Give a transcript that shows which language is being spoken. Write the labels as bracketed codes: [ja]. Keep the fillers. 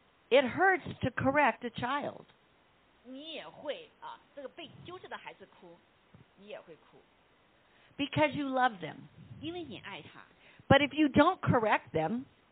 [en] It hurts to correct a child. [zh] 你也会,啊,这个被纠正的孩子哭, [en] because you love them. But if you don't correct them,